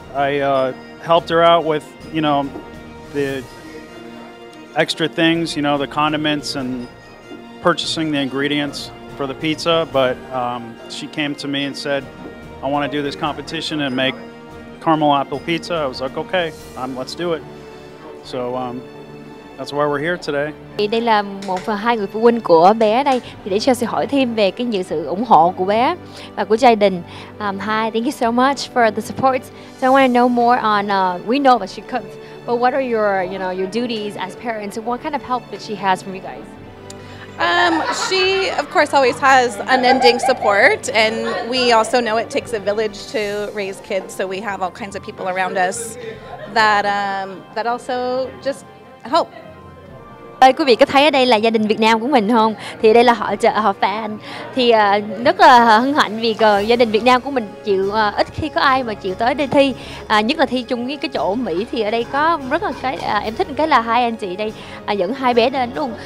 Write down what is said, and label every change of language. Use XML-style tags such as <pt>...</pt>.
<en>I helped her out with, you know, the extra things, you know, the condiments and purchasing the ingredients for the pizza, but she came to me and said, I want to do this competition and make caramel apple pizza. I was like, okay, let's do it. So, that's why we're here today.</en> <vi>Thì đây là một phần hai người phụ huynh của bé ở đây. Thì để Chelsea hỏi thêm về cái sự ủng hộ của bé và của gia đình.</vi> <en>Hi, thank you so much for the support. So I want to know more on, we know that she cooks, but what are your, you know, your duties as parents? What kind of help that she has from you guys? She, of course, always has unending support. And we also know it takes a village to raise kids. So we have all kinds of people around us that that also just help.</en> <vi>Đây, quý vị có thấy ở đây là gia đình Việt Nam của mình không? Thì đây là họ chợ, họ fan. Thì rất là hân hạnh vì gia đình Việt Nam của mình chịu ít khi có ai mà chịu tới đây thi. Nhất là thi chung với cái chỗ Mỹ thì ở đây có rất là cái em thích cái là hai anh chị đây dẫn hai bé đến luôn.</vi>